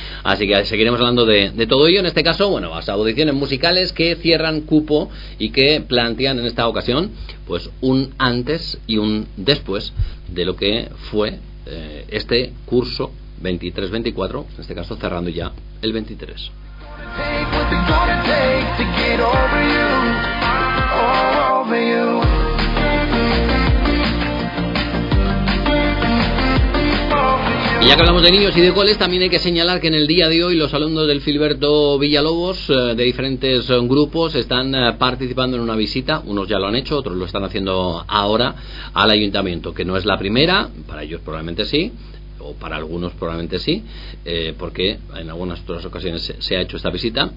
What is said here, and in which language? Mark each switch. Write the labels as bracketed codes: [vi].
[es] Así que seguiremos hablando de todo ello. En este caso, bueno, las audiciones musicales que cierran cupo y que plantean en esta ocasión pues un antes y un después de lo que fue este curso 23-24, en este caso cerrando ya el 23. [en] Take what they're gonna take to get over you, all over you. [es] Y ya que hablamos de niños y de coles, también hay que señalar que en el día de hoy los alumnos del Filiberto Villalobos de diferentes grupos están participando en una visita. Unos ya lo han hecho, otros lo están haciendo ahora al ayuntamiento, que no es la primera, para ellos probablemente sí, o para algunos probablemente sí, porque en algunas otras ocasiones se ha hecho esta visita.